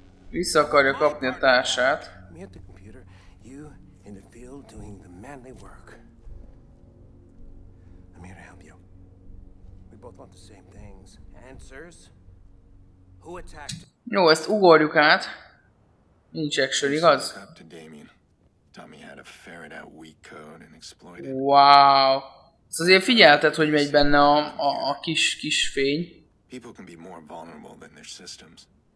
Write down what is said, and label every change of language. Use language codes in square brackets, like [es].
[hu] Vissza akarja kapni a társát. [en] Me at the computer, you in the field doing the manly work. I'm here to help you. We both want the same things. Answers. Who attacked? [hu] Jó, ezt ugorjuk át. Nincs action, igaz? [en] Tommy had a ferret out weak code and exploited. Wow. [hu] Ez azért figyelted, hogy megy benne a kis fény. [en] People can be more vulnerable than their systems.